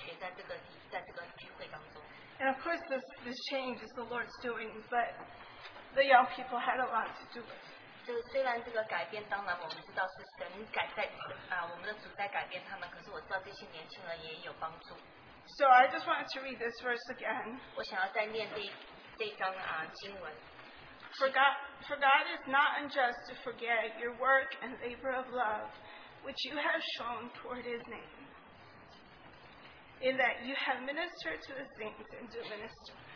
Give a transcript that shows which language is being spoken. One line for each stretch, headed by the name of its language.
Chinese: 我非常感动，因为我知道我们年轻人放了多少的汗水在这个聚会当中。
English: And of course, this change is the Lord's doing, but the young people had a lot to do with.
Chinese: 虽然这个改变，当然我们知道是神改在，我们的主在改变他们，可是我知道这些年轻人也有帮助。
English: So I just wanted to read this verse again.
Chinese: 我想要再念这一章经文。
English: For God is not unjust to forget your work and labor of love, which you have shown toward His name, in that you have ministered to the saints and do minister.